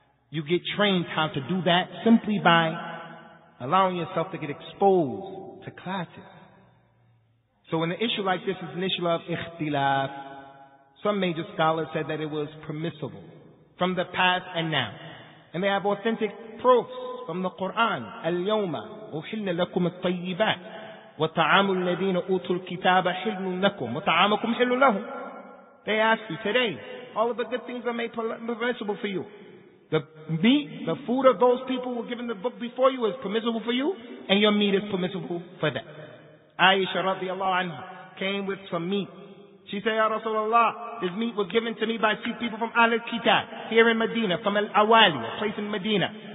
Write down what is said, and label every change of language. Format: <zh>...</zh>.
<en>You get trained how to do that simply by allowing yourself to get exposed to classes. So when an issue like this is an issue of ikhtilaf, some major scholars said that it was permissible from the past and now. And they have authentic proofs from the Qur'an.</en> <ar>اليوم أحل لكم الطيبات وطعام الذين أوتوا الكتاب حل لكم وطعامكم حل لهم.</ar> <en>They ask you today, all of the good things are made permissible for you. The meat, the food of those people who were given the book before you is permissible for you, and your meat is permissible for them. Aisha radiallahu anha came with some meat. She said, Ya Rasulullah, this meat was given to me by two people from Al-Kitab, here in Medina, from Al-Awali, a place in Medina.</en>